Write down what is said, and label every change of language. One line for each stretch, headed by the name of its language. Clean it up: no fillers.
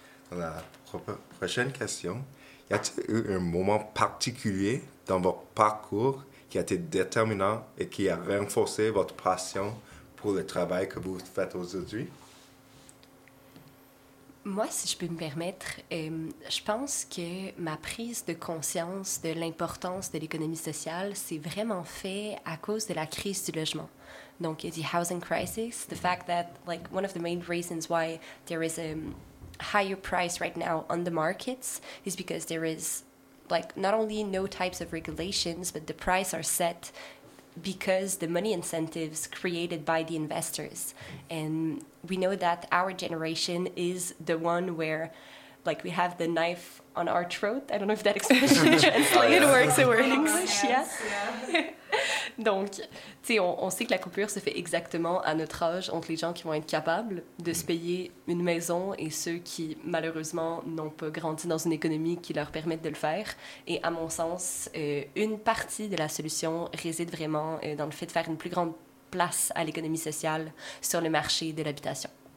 French: La prochaine question. Y a-t-il eu un moment particulier dans votre parcours qui a été déterminant et qui a renforcé votre passion pour le travail que vous faites aujourd'hui? Moi, si je peux me permettre, je pense que ma prise de conscience de l'importance de l'économie sociale s'est vraiment fait à cause de la crise du logement.
English: Donc, the housing crisis, the fact that, like, one of the main reasons why there is a higher price right now on the markets is because there is, like, not only no types of regulations, but the price are set because the money incentives created by the investors. And we know that our generation is the one where, like, we have the knife on our throat. I don't know if that expression translates. It works. Yes. Yeah.
French: Donc, tu sais, on sait que la coupure se fait exactement à notre âge entre les gens qui vont être capables de se payer une maison et ceux qui, malheureusement, n'ont pas grandi dans une économie qui leur permette de le faire. Et à mon sens, une partie de la solution réside vraiment dans le fait de faire une plus grande place à l'économie sociale sur le marché de l'habitation.